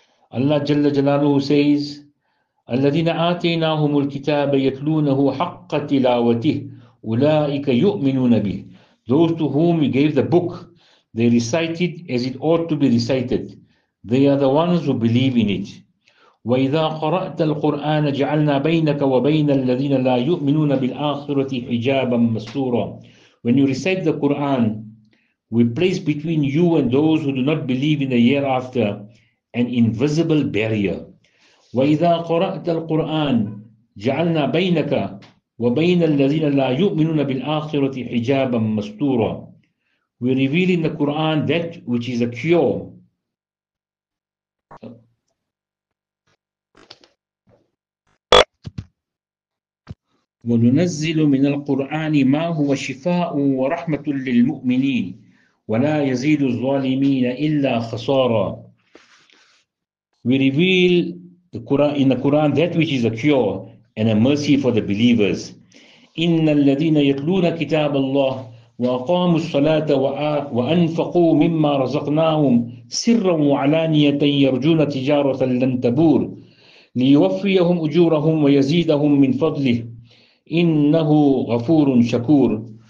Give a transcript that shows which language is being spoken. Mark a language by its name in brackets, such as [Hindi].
[Arabic] Allah Jalla Jalaluhu says, الَّذِينَ آتَيْنَاهُمُ الْكِتَابَ يَتْلُونَهُ حَقَّ تِلَاوَتِهِ أُولَٰئِكَ يُؤْمِنُونَ بِهِ. [English] Those to whom he gave the book, they recite it as it ought to be recited. They are the ones who believe in it. [Arabic] وَإِذَا قَرَأْتَ الْقُرْآنَ جَعَلْنَا بَيْنَكَ وَبَيْنَ الَّذِينَ لَا يُؤْمِنُونَ بِالْآخِرَةِ حِجَابًا مَسْتُورًا. [English] When you recite the Quran, we place between you and those who do not believe in the hereafter an invisible barrier. [Arabic] وَإِذَا قَرَأْتَ الْقُرْآنَ جَعَلْنَا بَيْنَكَ وَبَيْنَ الَّذِينَ لَا يُؤْمِنُونَ بِالْآخِرَةِ حِجَابًا مَسْتُورًا. [English] We reveal in the Quran that which is a cure. [Arabic] وَنُنَزِّلُ مِنَ الْقُرْآنِ مَا هُوَ شِفَاءٌ وَرَحْمَةٌ لِلْمُؤْمِنِينَ وَلَا يَزِيدُ الظَّالِمِينَ إِلَّا خَسَارًا. [English] We reveal the Quran, in the Quran that which is a cure and a mercy for the believers. [Arabic] إِنَّ الَّذِينَ يَتْلُونَ كِتَابَ اللَّهِ وَأَقَامُوا الصَّلَاةَ وَأَنْفَقُوا مِمَّا رَزَقْنَاهُمْ سِرًّا وَعَلَانِيَةً يَرْجُونَ تِجَارَةً لَنْ تَبُورَ لِيُوَفِّيَهُمْ أُجُورَهُمْ وَيَزِيدَهُمْ مِنْ فَضْلِهِ إنه غفور شكور